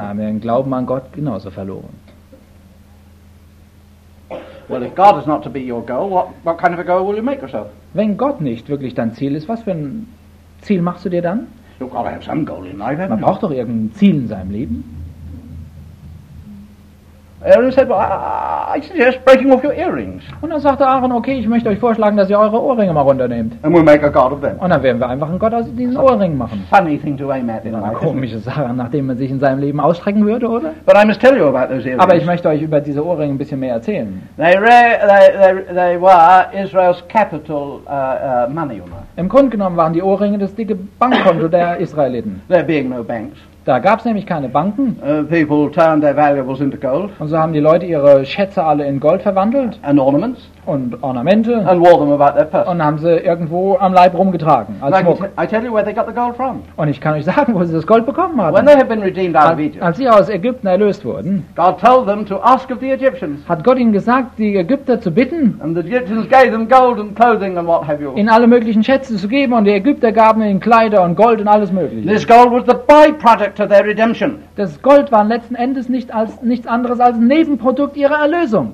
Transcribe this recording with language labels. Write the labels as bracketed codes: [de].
[de] Sie haben ihren Glauben an Gott genauso verloren. [en] Well, if God is not to be your goal, what kind of a goal will you make yourself? [de] Wenn Gott nicht wirklich dein Ziel ist, was für ein Ziel machst du dir dann? [en] You've got to have some goal in life. [de] Man braucht doch irgendein Ziel in seinem Leben. [en] Aaron said, well, I suggest breaking off your earrings. [de] Und dann sagte Aaron, okay, ich möchte euch vorschlagen, dass ihr eure Ohrringe mal runternehmt. [en] And we'll make a god of them. [de] Und dann werden wir einfach einen Gott aus diesen Ohrringen machen. [en] Funny thing to aim at in life. [de] Eine komische Sache, nachdem man sich in seinem Leben ausstrecken würde, oder? [en] But I must tell you about those earrings. [de] Aber ich möchte euch über diese Ohrringe ein bisschen mehr erzählen. [en] They were Israel's capital money, you know. [de] Im Grunde genommen waren die Ohrringe das dicke Bankkonto der Israeliten. [en] There being no banks. [de] Da gab es nämlich keine Banken. [en] People turned their valuables into gold. [de] Und so haben die Leute ihre Schätze alle in Gold verwandelt. [en] And ornaments. [de] Und Ornamente. [en] And wore them about their person. [de] Und haben sie irgendwo am Leib rumgetragen. Als Schmuck. [en] I tell you where they got the gold from. [de] Und ich kann euch sagen, wo sie das Gold bekommen haben. [en] When they had been redeemed out of Egypt, [de] als sie aus Ägypten erlöst wurden, [en] God told them to ask of the Egyptians. [de] Hat Gott ihnen gesagt, die Ägypter zu bitten, [en] and the Egyptians gave them gold and clothing and what have you. [de] In alle möglichen Schätze zu geben. Und die Ägypter gaben ihnen Kleider und Gold und alles Mögliche. [en] This gold was the byproduct of their redemption. [de] Das Gold war letzten Endes nichts anderes als ein Nebenprodukt ihrer Erlösung.